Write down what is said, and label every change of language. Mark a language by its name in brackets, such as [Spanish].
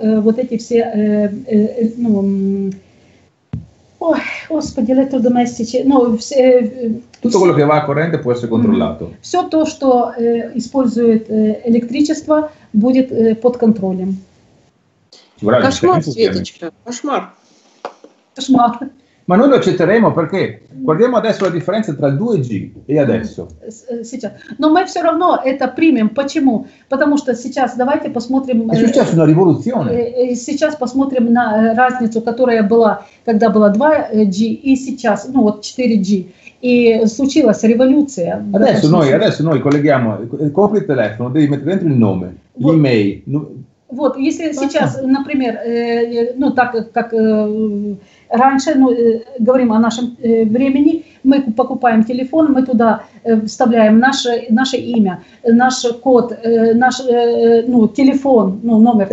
[Russian] Вот эти все, ну, ой, господи, электродоместики, ну, все... [Italian] Tutto quello che va a corrente può essere controllato. [Russian] Все то, что использует электричество, будет под контролем. Кошмар, Светочка, кошмар. [Italian] Ma noi lo accetteremo perché guardiamo adesso la differenza tra 2G e adesso. [Russian] Сейчас. Но мы все равно это примем. Почему? Потому что сейчас давайте посмотрим. [Italian] È successo una rivoluzione. [Russian] Сейчас посмотрим на разницу, которая была, когда была 2G и сейчас, ну вот 4G. И случилась революция. [Italian] Adesso noi colleghiamo, compri il telefono, devi mettere dentro il nome, l'email. [Russian] Вот, если сейчас, например, ну так как раньше, ну, говорим о нашем времени, мы покупаем телефон, мы туда вставляем наше имя, наш код, наш ну, телефон, ну, номер